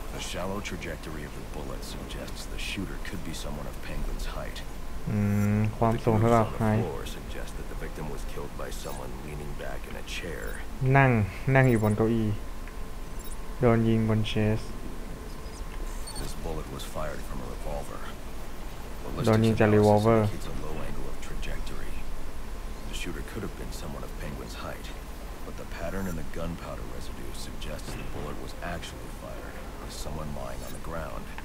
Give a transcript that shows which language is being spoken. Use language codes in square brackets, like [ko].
[en] Shallow trajectory of the bullet suggests the shooter could be someone of Penguin's height. [th] ความสูงเท่ากับใคร [en] suggests that the victim was killed by someone leaning back in a chair. [th] นั่งอยู่บนเก้าอี้โดนยิงบนเชส [en] This bullet was fired from a revolver. [th] โดนยิงจากรีวอลเวอร์ [en] It's a low angle of trajectory. The shooter could have been someone of Penguin's height, but the pattern in the gunpowder residue suggests the bullet was actually fired. Someone lying on the ground.